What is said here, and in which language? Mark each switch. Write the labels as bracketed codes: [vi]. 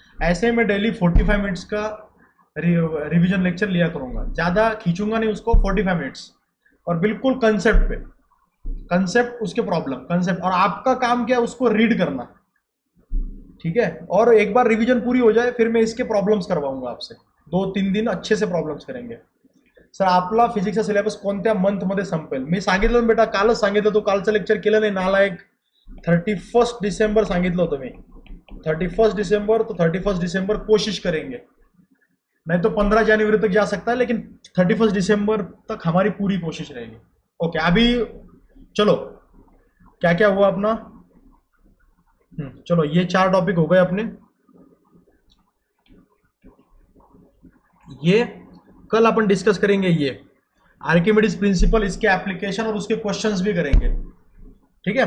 [hi] ऐसे ही मैं daily 45 minutes का रिवीजन लेक्चर लिया करूँगा, ज़्यादा खींचूंगा नहीं उसको, 45 मिनट्स, और बिल्कुल कंसेप्ट पे, कंसेप्ट उसके प्रॉब्लम कंसेप्ट, और आपका काम क्या है उसको रीड करना, ठीक है। और एक बार रिवीजन पूरी हो जाए फिर मैं इसके प्रॉब्लम्स करवाऊंगा आपसे, 2-3 दिन अच्छे से प्रॉब्लम्स करेंगे। [mr] सर आपला फिजिक्सचा सिलेबस कोणत्या मंथमध्ये संपेल, मी सांगितलं ना बेटा कालच सांगितलं, तू कालचं लेक्चर केलं नाही ना, लाईक 31 डिसेंबर सांगितलं होतं मी, 31 डिसेंबर, तो 31 डिसेंबर [hi] कोशिश करेंगे, नाही तो 15 जानेवारी तक जा सकता है, लेकिन 31 डिसेंबर तक हमारी पूरी कोशिश रहेगी। ओके अभी चलो क्या क्या हुआ अपना, चलो ये 4 टॉपिक हो गए अपने, ये कल अपन डिस्कस करेंगे, ये आर्किमिडीज प्रिंसिपल, इसके एप्लीकेशन और उसके क्वेश्चंस भी करेंगे, ठीक है।